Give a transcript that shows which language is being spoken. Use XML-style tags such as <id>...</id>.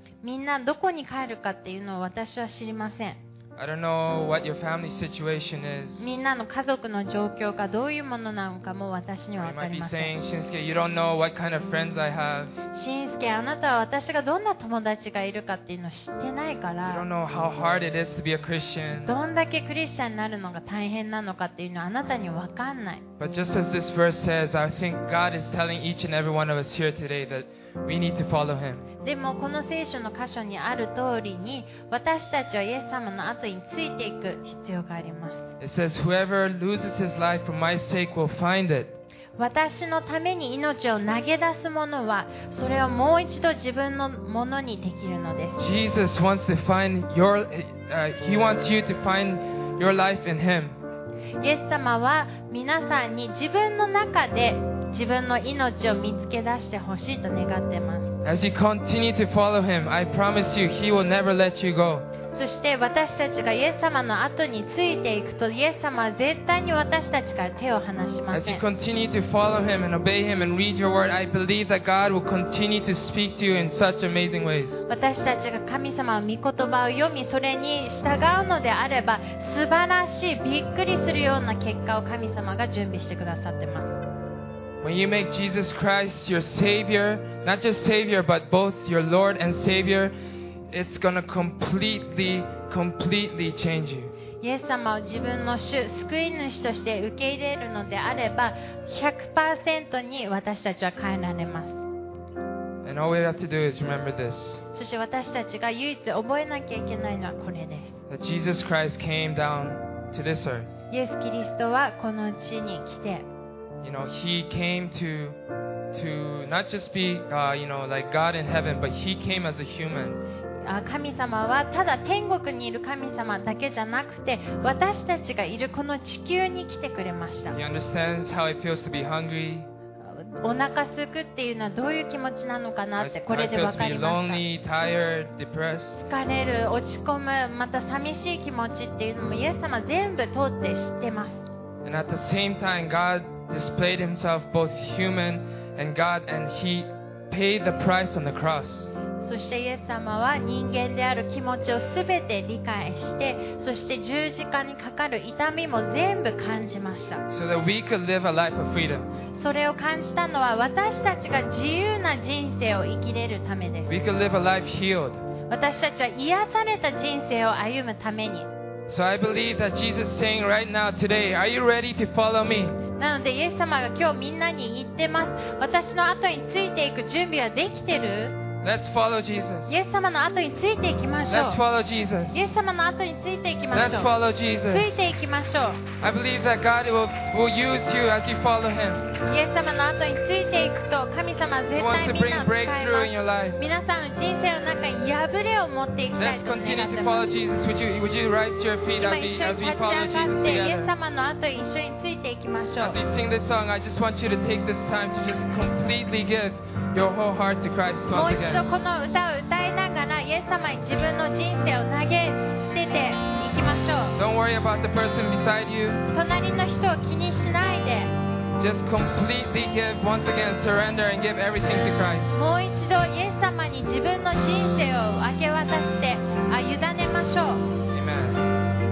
<ja>みんなどこに帰るかっていうのを私は知りません。</ja> <en>I don't know what your family situation is.</en> <ja>みんなの家族の状況がどういうものなのかも私には分かりません。</ja> <en>You might be saying Shinsuke you don't know what kind of friends I have.</en> <ja>あなたは私がどんな友達がいるかっていうのを知ってないから</ja> <en>You don't know how hard it is to be a Christian.</en> <ja>どんだけクリスチャンになるのが大変なのかっていうのはあなたに分かんない。</ja> <en>But just as this verse says, I think God is telling each and every one of us here today that we need to follow Him.</en> <ja>でもこの聖書の箇所にある通りに私たちはイエス様の後についていく必要があります。</ja> <en>It says, whoever loses his life for my sake will find it.</en> <ja>私のために命を投げ出す者はそれをもう一度自分のものにできるのです。</ja> <en>Jesus wants to find your, He wants you to find your life in Him.</en> <ja>イエス様は皆さんに自分の中で自分の命を見つけ出してほしいと願っています。</ja> <en>As you continue to follow Him, I promise you He will never let you go.</en> <ja>そして私たちがイエス様の後についていくとイエス様は絶対に私たちから手を離しません。</ja> <en>As you continue to follow him and obey him and read your word, I believe that God will continue to speak to you in such amazing ways.</en> <ja>私たちが神様の御言葉を読みそれに従うのであれば素晴らしいびっくりするような結果を神様が準備してくださってます。</ja> <en>When you make Jesus Christ your Savior, not just Savior, but both your Lord and Savior,It's gonna completely, completely change you.</en> <ja>イエス様を自分の主、救い主として受け入れるのであれば、100% に私たちは変えられます。</ja> <en>And all we have to do is remember this.</en> <ja>そして私たちが唯一覚えなきゃいけないのはこれです。</ja> <en>That Jesus Christ came down to this earth.</en> <ja>イエス・キリストはこの地に来て、</ja> <en>You know, He came to not just be, you know, like God in heaven, but He came as a human.</en> <ja>神様はただ天国にいる神様だけじゃなくて私たちがいるこの地球に来てくれました。</ja> <en>He understands how it feels to be hungry.</en> <ja>お腹すくっていうのはどういう気持ちなのかなってこれで分かりました。</ja> <en>I feel lonely, tired, depressed.</en> <ja>疲れる落ち込むまた寂しい気持ちっていうのもイエス様全部通って知ってます。</ja> <en>And at the same time God displayed himself both human and God and he paid the price on the cross</en> <ja>そしてイエス様は人間である気持ちをすべて理解してそして十字架にかかる痛みも全部感じました。</ja> <en>So that we could live a life of freedom.</en> <ja>それを感じたのは私たちが自由な人生を生きれるためです。</ja> <en>We could live a life healed.</en> <ja>私たちは癒された人生を歩むために。</ja> <en>So I believe that Jesus is saying right now today, Are you ready to follow me?</en> <ja>なのでイエス様が今日みんなに言ってます。私の後についていく準備はできてる？</ja> <en>Let's follow Jesus.</en> <ja>イエス様の後についていきましょう。</ja> <en>Let's follow Jesus.</en> <ja>イエス様の後についていきましょう。</ja> <en>Let's follow Jesus.</en> <ja>ついていきましょう。</ja> <en>I believe that God will use you as you follow Him.</en> <ja>イエス様の後についていくと神様は絶対みんなを使います。</ja> <en>He wants to bring breakthrough in your life.</en> <ja>皆さんの人生の中に破れを持っていきたいと願ってます。</ja> <en>Let's continue to follow Jesus. Would you rise to your feet as we follow Jesus together?</en> <ja>イエス様の後一緒についていきましょう。</ja> <en>As we sing this song, I just want you to take this time to just completely give. Your whole heart to Christ once again.</en> <ja>もう一度この歌を歌いながらイエス様に自分の人生を投げ捨てていきましょう。</ja> <en>Don't worry about the person beside you.</en> <ja>隣の人を気にしないで。</ja> <en>Just completely give once again, surrender and give everything to Christ.</en> <ja>もう一度イエス様に自分の人生を明け渡して委ねましょう。</ja>